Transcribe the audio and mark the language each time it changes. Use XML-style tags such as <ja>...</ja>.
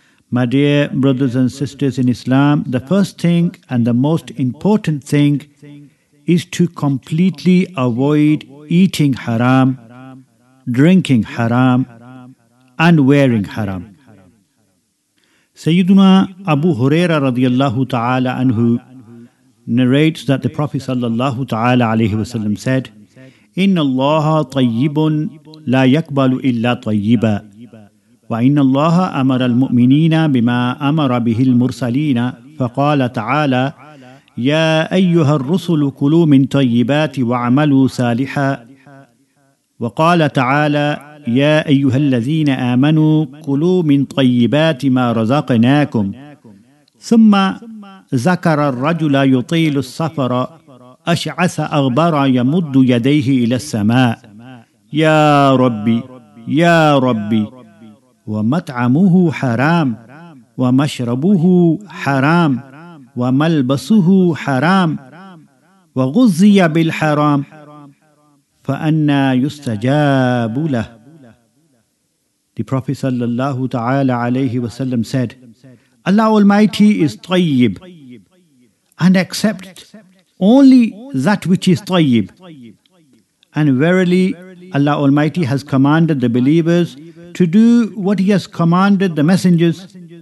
<en>My dear brothers and sisters in Islam, the first thing and the most important thing is to completely avoid eating haram, drinking haram, and wearing haram. Sayyiduna Abu Huraira radiallahu ta'ala anhu narrates that the Prophet sallallahu ta'ala alayhi wa sallam said,</en> <ar>إِنَّ اللَّهَ طَيِّبٌ لَا يَقْبَلُ إِلَّا طَيِّبًا وَإِنَّ اللَّهَ أَمَرَ الْمُؤْمِنِينَ بِمَا أَمَرَ بِهِ الْمُرْسَلِينَ فَقَالَ تَعَالَى يَا أَيُّهَا الرُّسُلُ كُلُوا مِنْ طَيِّبَاتِ وَعَمَلُوا صَالِحًا وَقَالَ تَعَالَى يَا أَيُّهَا الَّذِينَ آمَنُوا كُلُوا مِنْ طَيِّبَاتِ مَا رَزَقْنَاكُمْ ثُمَّ ذَكَرَ الرَّجُلَ يُطِيلُ السَّفَرَ أشعث أغبرا يمد يديه إلى السماء يا ربي يا ربي ومطعمه حرام ومشربه حرام وملبسه حرام وغذي بالحرام فأنى يستجاب له.</ar> <en>The Prophet sallallahu ta'ala alayhi wa sallam said, Allah Almighty is tayyib and accept only that which is tayyib. And verily, Allah Almighty has commanded the believers to do what He has commanded the messengers.</en>